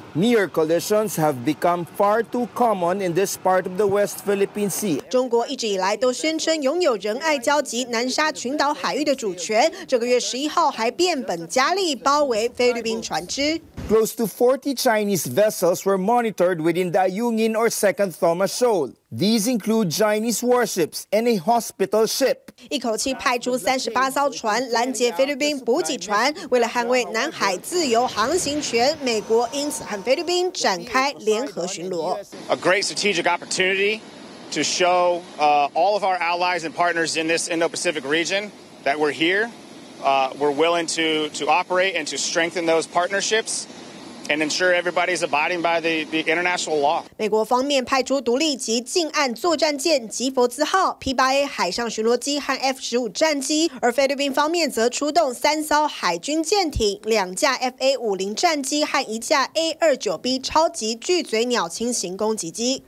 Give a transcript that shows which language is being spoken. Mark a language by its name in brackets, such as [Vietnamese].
[English] Near collisions have become far too common in this part of the West Philippine Sea. [Chinese] 中国一直以来都宣称拥有仁爱礁及南沙群岛海域的主权，这个月11号还变本加厉包围菲律宾船只。 [English] Close to 40 Chinese vessels were monitored within the Ayungin or Second Thomas Shoal. These include Chinese warships and a hospital ship. [Chinese] 一口气派出38艘船拦截菲律宾补给船，为了捍卫南海自由航行权，美国因此和菲律宾展开联合巡逻。 [English] A great strategic opportunity to show all of our allies and partners in this Indo-Pacific region that we're here. We're willing to operate and to strengthen those partnerships and ensure everybody's abiding by the international law. [Chinese] 美国方面派出独立级近岸作战舰吉佛兹号、P8A 海上巡逻机和 F-15 战机，而菲律宾方面则出动3艘海军舰艇、2架 FA-50 战机和1架 A-29B 超级巨嘴鸟轻型攻击机。